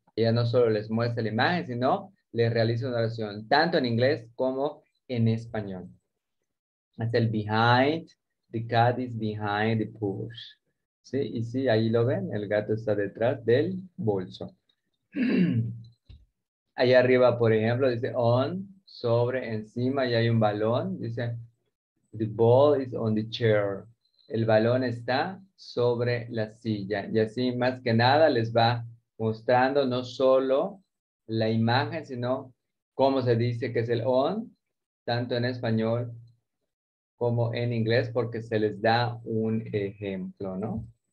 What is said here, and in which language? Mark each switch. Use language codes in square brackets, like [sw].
[es] Ella no solo les muestra la imagen, sino les realiza una oración, tanto en inglés como en español. Es el [en] behind, the cat is behind the push. [es] Sí, y sí, ahí lo ven, el gato está detrás del bolso. Ahí arriba, por ejemplo, dice on, sobre, encima, y hay un balón. [en] Dice, the ball is on the chair. [es] El balón está sobre la silla. Y así, más que nada, les va mostrando no solo la imagen, sino cómo se dice que es el on, tanto en español como en inglés, porque se les da un ejemplo, ¿no?